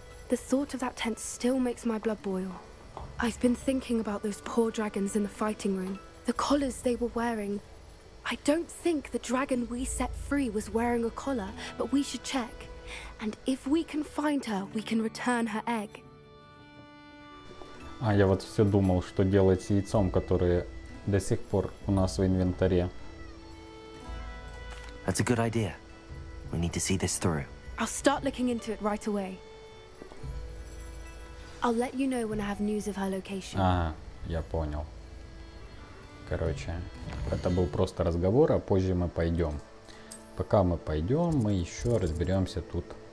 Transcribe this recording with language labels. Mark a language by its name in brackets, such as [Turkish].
[English] The thought of that tent still makes my blood boil. I've been thinking about those poor dragons in the fighting room. The collars they were wearing. I don't think the dragon we set free was wearing a collar, but we should check. And if we can find her, we can return her egg. [Russian] А я вот все думал, что делать с яйцом, которое до сих пор у нас в инвентаре. [English] That's a good idea. We need to see this through. I'll start looking into it right away. I'll let you know when I have news of her location. [Russian] Ага, я понял. Короче, это был просто разговор, а позже мы пойдем. Пока мы пойдем, мы еще разберемся тут.